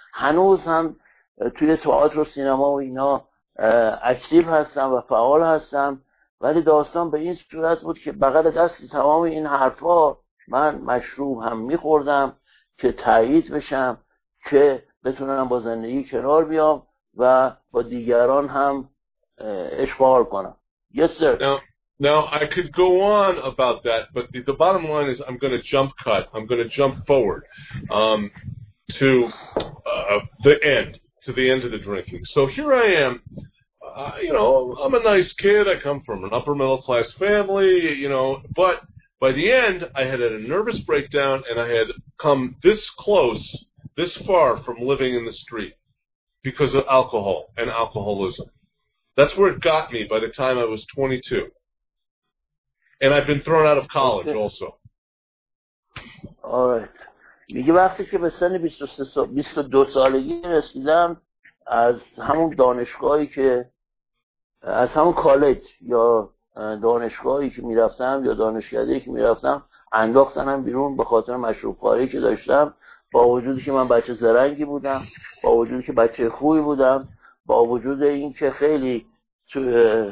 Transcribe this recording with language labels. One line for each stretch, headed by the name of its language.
Persian: هنوز هم توی تئاتر و سینما و اینا اکتیو هستم و فعال هستم، ولی داستان به این صورت بود که بغل دستی تمام این حرفا من مشروب هم میخوردم که تایید بشم که بتونم با زندگی کنار بیام و با دیگران هم اشغال کنم.
English: Yes sir. Now I could go on about that, but the bottom line is I'm going to jump forward to the end of the drinking. So here I am, you know, I'm a nice kid, I come from an upper middle class family, you know, but by the end I had a nervous breakdown and I had come this close, this far from living in the street because of alcohol and alcoholism. That's where it got me by the time I was 22. And I've been thrown out of college also. All right.
Persian: میگه وقتی که به سن 22 سالگی رسیدم از همون دانشگاهی که از همون کالج یا دانشگاهی که میرفتم یا دانشگاهی که میرفتم انداختنم بیرون به خاطر مشروب‌خواری که داشتم، با وجودی که من بچه زرنگی بودم، با وجودی که بچه خوبی بودم، با وجود این که خیلی تو